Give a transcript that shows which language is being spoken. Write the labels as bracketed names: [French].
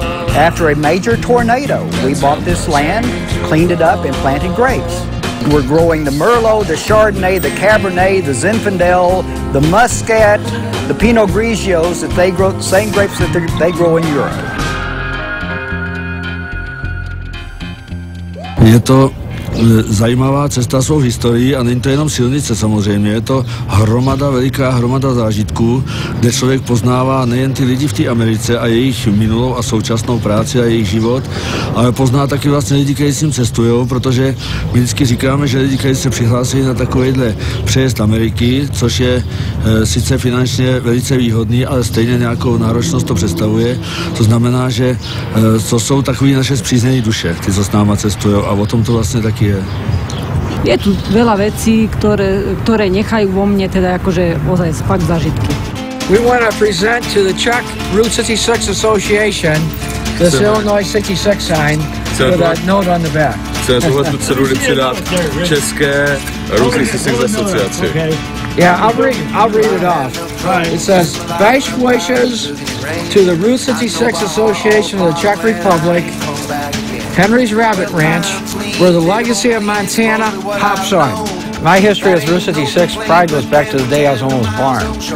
[English] After a major tornado, we bought this land, cleaned it up, and planted grapes. We're growing the Merlot, the Chardonnay, the Cabernet, the Zinfandel, the Muscat, the Pinot Grigios, that they grow, same grapes that they grow in Europe. [Czech] Je to zajímavá cesta svou historií a není to jenom silnice samozřejmě, je to hromada, veliká hromada zážitků, kde člověk poznává nejen ty lidi v té Americe a jejich minulou a současnou práci a jejich život, ale pozná taky vlastně lidi, kteří s ním cestují, protože my vždycky říkáme, že lidi, kteří se přihlásí na takovýhle přejezd Ameriky, což je sice finančně velice výhodný, ale stejně nějakou náročnost to představuje. To znamená, že to jsou takový naše spřízněné duše, ty, co s náma cestují, a o tom to vlastně tak je. [Slovak] Je tu veľa vecí, ktoré nechajú vo mne teda akože ozaj spať zážitky. [English] We want to present to the Czech Route 66 Association the Illinois 66 sign with a note on the back. [Czech] Chceme tuhle tu cenu přidat České Route 66 asociaci. [English] Yeah, I'll read it off. It says, best wishes to the Route 66 Association of the Czech Republic, Henry's Rabbit Ranch, where the legacy of Montana hops on. My history with Route 66 pride goes back to the day I was almost born.